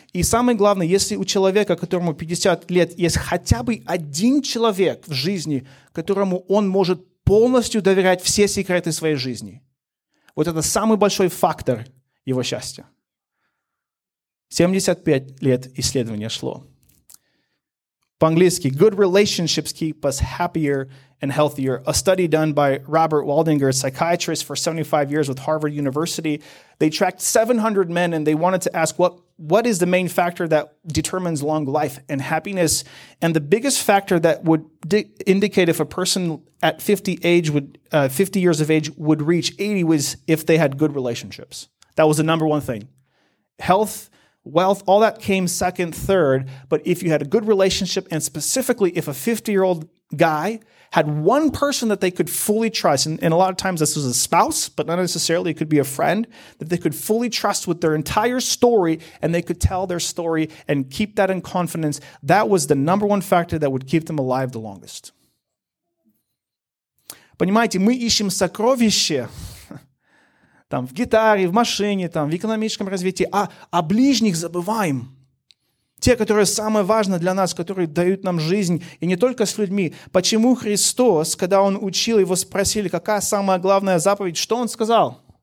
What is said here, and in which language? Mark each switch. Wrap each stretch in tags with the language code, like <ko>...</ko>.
<ru>И самое главное, если у человека, которому 50 лет, есть хотя бы один человек в жизни, которому он может полностью доверять все секреты своей жизни. Вот это самый большой фактор его счастья. 75 лет исследования шло. По-английски,</ru> <en>good relationships keep us happier and healthier. A study done by Robert Waldinger, a psychiatrist for 75 years with Harvard University. They tracked 700 men and they wanted to ask what is the main factor that determines long life and happiness? And the biggest factor that would indicate if a person at 50 years of age would reach 80 was if they had good relationships. That was the number one thing. Health, wealth, all that came second, third. But if you had a good relationship, and specifically if a 50-year-old guy, had one person that they could fully trust. And a lot of times this was a spouse, but not necessarily, it could be a friend, that they could fully trust with their entire story, and they could tell their story and keep that in confidence. That was the number one factor that would keep them alive the longest.</en> <ru>Понимаете, мы ищем сокровища там, в гитаре, в машине, там, в экономическом развитии, а о ближних забываем. Те, которые самые важные для нас, которые дают нам жизнь, и не только с людьми. Почему Христос, когда Он учил, Его спросили, какая самая главная заповедь, что Он сказал?</ru>